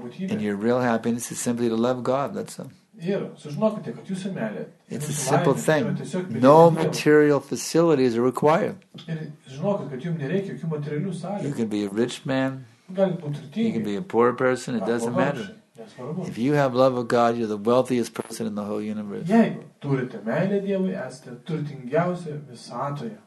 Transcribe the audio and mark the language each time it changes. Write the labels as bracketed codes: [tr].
[en] And your real happiness is simply to love God, that's all. [lt] Ir sužinokite, kad jūsų meilė. [en] It's a simple thing. No material facilities are required. [lt] Ir žinokit, kad jums nereikia jokių materialių sąlygų. [en] You can be a rich man. [lt] Galit būti turtingi. [en] You can be a poor person. It doesn't matter. If you have love of God, you're the wealthiest person in the whole universe. [lt] Jeigu turite meilę Dievui, esate turtingiausia visatoje.